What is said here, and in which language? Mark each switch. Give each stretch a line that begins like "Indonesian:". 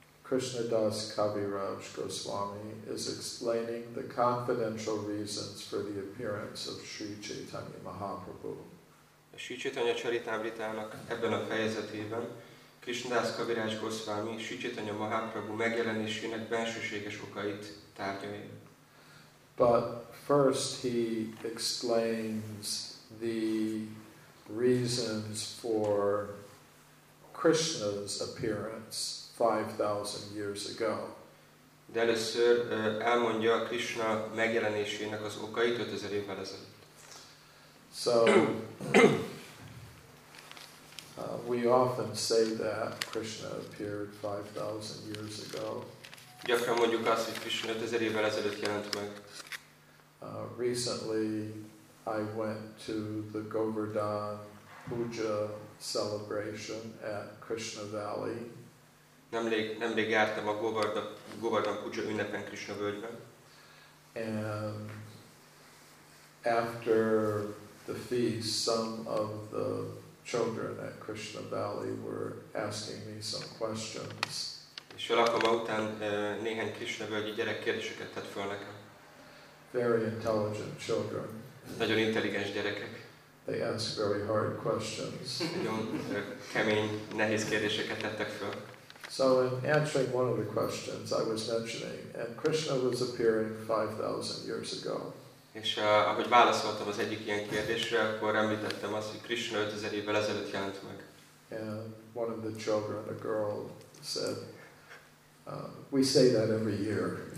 English: Krishnadas Kaviraj Goswami is explaining the confidential reasons for the appearance of Sri Chaitanya Mahaprabhu.
Hungarian: A Sri Chaitanya Charitamritának ebben a fejezetében Krishnadas Kaviraj Goswami Sri Chaitanya Mahaprabhu megjelenésének bensőséges okait tárgyalja.
English: But first he explains the reasons for Krishna's appearance 5000 years ago.
Hungarian: De először elmondja Krishna megjelenésének az okait 5000 évvel ezelőtt.
English: So we often say that Krishna appeared 5000 years ago.
Hungarian: Gyakran mondjuk azt, hogy Krishna 5000 évvel ezelőtt jelent meg.
English: Recently I went to the Govardhan Puja celebration at Krishna Valley.
Hungarian: Nemrég jártam a Govardhan Puja ünnepen Krishna völgyben.
English: And after the feast, some of the children at Krishna Valley were asking me some questions.
Hungarian: És alakom után néhány Krishna völgyi gyerek kérdéseket tett föl nekem.
English: Very intelligent children.
Hungarian: Nagyon intelligens gyerekek.
English: They ask very hard questions.
Hungarian: Nagyon kemény, nehéz kérdéseket tettek föl.
English: So in answering one of the questions I was mentioning, and Krishna was appearing 5000 years ago.
Hungarian: És ahogy válaszoltam az egyik ilyen kérdésre, akkor említettem azt, hogy Krishna 5000 évvel ezelőtt jelent meg.
English: And one of the children, a girl, said, we say that every year.